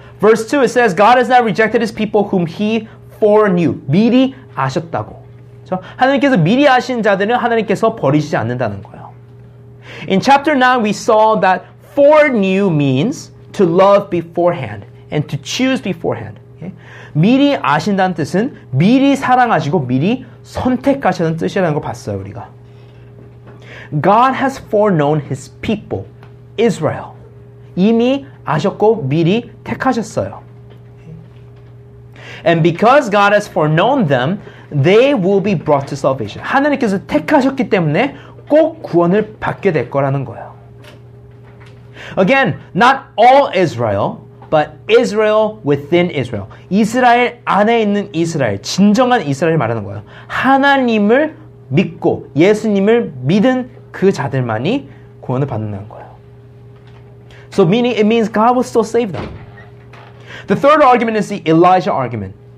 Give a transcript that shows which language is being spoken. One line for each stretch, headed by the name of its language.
English: Verse 2, it says, God has not rejected his people whom he foreknew.
Korean: 미리 아셨다고. 그렇죠? 하나님께서 미리 아신 자들은 하나님께서 버리시지 않는다는 거예요.
English: In chapter 9, we saw that foreknew means to love beforehand and to choose beforehand. Okay?
Korean: 미리 아신다는 뜻은 미리 사랑하시고 미리 선택하시는 뜻이라는 걸 봤어요, 우리가.
English: God has foreknown his people, Israel.
Korean: 이미 아셨고 미리 택하셨어요.
English: And because God has foreknown them, they will be brought to salvation.
Korean: 하나님께서 택하셨기 때문에 꼭 구원을 받게 될 거라는 거예요.
English: Again, not all Israel, but Israel within Israel.
Korean: 이스라엘 안에 있는 이스라엘, 진정한 이스라엘 말하는 거예요. 하나님을 믿고 예수님을 믿은 그 자들만이 구원을 받는 거예요.
English: So meaning it means God will still save them. The third argument is the Elijah argument.